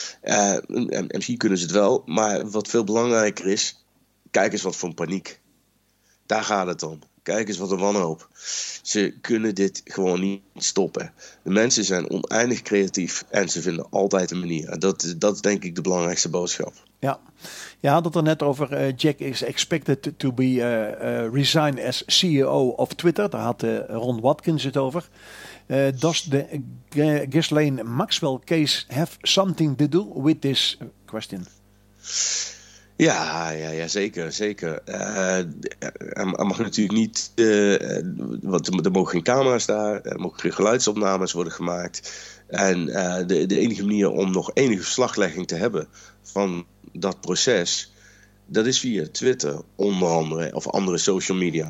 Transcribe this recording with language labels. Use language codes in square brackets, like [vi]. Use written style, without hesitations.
[nl] En misschien kunnen ze het wel, maar wat veel belangrijker is, kijk eens wat voor paniek. Daar gaat het om. Kijk eens wat een wanhoop. Ze kunnen dit gewoon niet stoppen. De mensen zijn oneindig creatief en ze vinden altijd een manier. Dat is denk ik de belangrijkste boodschap. Ja, je had het er net over. [en] Jack is expected to be resign as CEO of Twitter. [nl] Daar had Ron Watkins het over. [en] Does the Ghislaine Maxwell case have something to do with this question? [nl] Ja, zeker, zeker. Er mag natuurlijk niet, want er mogen geen camera's daar, er mogen geen geluidsopnames worden gemaakt. En de enige manier om nog enige verslaglegging te hebben van dat proces, dat is via Twitter onder andere, of andere social media.